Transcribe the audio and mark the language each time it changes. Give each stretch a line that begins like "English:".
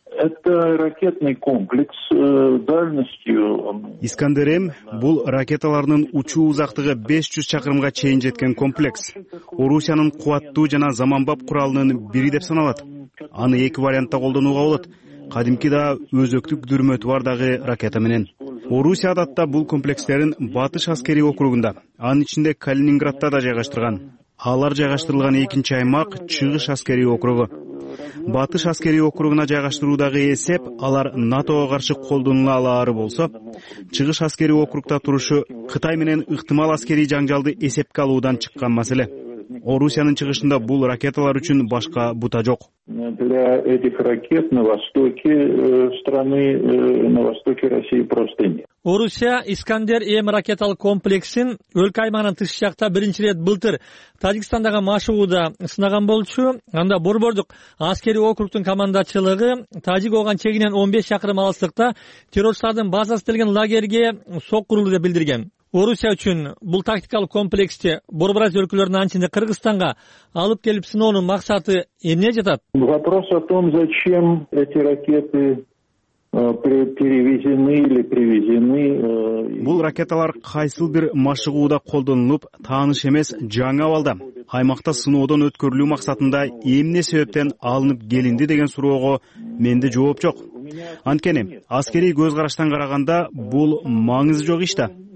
Russian: Это ракетный комплекс дальностью...
Kyrgyz: Искандер-М бул ракеталарынын учуу узактыгы 500 чакырымга чейин жеткен комплекс. Орусиянын кубаттуу жана заманбап куралынын бири деп саналат. Аны эки вариантта колдонууга болот. Кадимки да өзөктүк дүрмөтү бар дагы ракета менен. Орусия адатта бул комплекстерин батыш аскерий округунда, анын ичинде Калининградда да жайгаштырган. Алар жайгаштырылган экинчи аймак чыгыш аскерий округу. Батыш аскерий округуна жайгаштыруудагы эсеп алар НАТОго каршы колдонула алары болсо, чыгыш аскерий округда турушу Кытай менен ыктымал аскерий жаңжалды эсепке алуудан чыккан маселе. Орусиянын чыгышында бул ракеталар үчүн башка бута жок.
Russian: Для этих ракет на востоке страны, на востоке России просто нет.
Kyrgyz: Орусия Искандер М ракеталык комплексин өлкө аймагынан тыш жакта биринчи ирет былтыр Таджикстандагы Машыгууда сынаган болчу. Анда борбордук аскерий округтун командачылыгы Тажик ооган чегинен 15 чакырым алыстыкта террористтердин базасы деген лагерге соккурулду деп билдирген. Орусия үчүн бул тактикалык комплексти борбораз өлкөлөрүнүн анчинде Кыргызстанга алып келип сыноонун максаты эмне жатат?
Russian: Вопрос о том, зачем эти ракеты перевезены или привезены.
Kyrgyz: Бул ракеталар кайсыл бир машыгууда колдонулуп, тааныш эмес жаңы абалда. Аймакта сыноодон өткөрүлүү максатында эмне себептен алынып келинди деген суроого менде жооп жок. Анткени аскерий көз караштан караганда бул маңызы жок иш да.